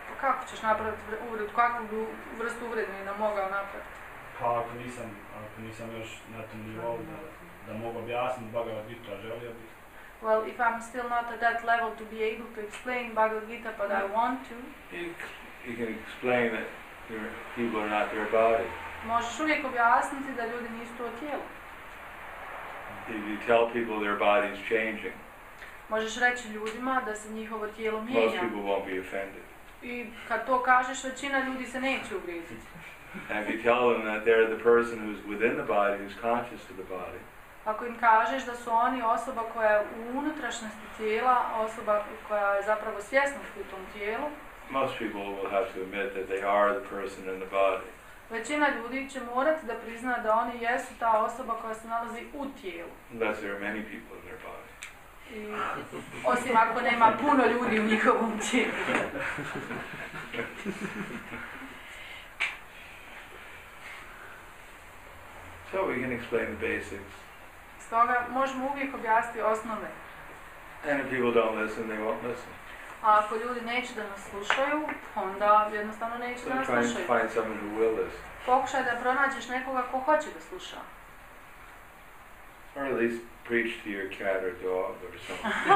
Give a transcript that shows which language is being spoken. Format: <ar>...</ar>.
<bs>Pa kako ćeš napraviti uvred, kakvu vrstu uvredni nam mogao napraviti? Pa ako nisam još na tom nivou da mogu objasniti Bhagavad Gita, želio bih.</bs> <en>Well, if I'm still not at that level to be able to explain Bhagavad Gita, but I want to. You can explain that people are not their body.</en> <bs>Možeš uvijek objasniti da ljudi nisu to tijelo.</bs> <en>If you tell people their body is changing.</en> <bs>Možeš reći ljudima da se njihovo tijelo mijenja.</bs> <en>Most people won't be offended.</en> <bs>I kad to kažeš, većina ljudi se neće ugriziti.</bs> <en>And if you tell them that they're the person who's within the body, who's conscious of the body.</en> <bs>Ako im kažeš da su oni osoba koja je u unutrašnjosti tijela, osoba koja je zapravo svjesna u tom tijelu.</bs> <en>Most people will have to admit that they are the person in the body.</en> <bs>Većina ljudi će morati da prizna da oni jesu ta osoba koja se nalazi u tijelu.</bs> <en>Unless there are many people in their body.</en> <bs>osim ako nema puno ljudi u njihovom tijelu.</bs> <en>So we can explain the basics.</en> <bs>Stoga možemo uvijek objasniti osnove.</bs> <en>And if people don't listen, they won't listen.</en> <bs>A ako ljudi neće da nas slušaju, onda jednostavno neće da nas slušaju.</bs> <en>Try to find someone who will listen.</en> <bs>Pokušaj da pronađeš nekoga ko hoće da sluša.</bs> <en>Or at least preach to your cat or dog or something.</en>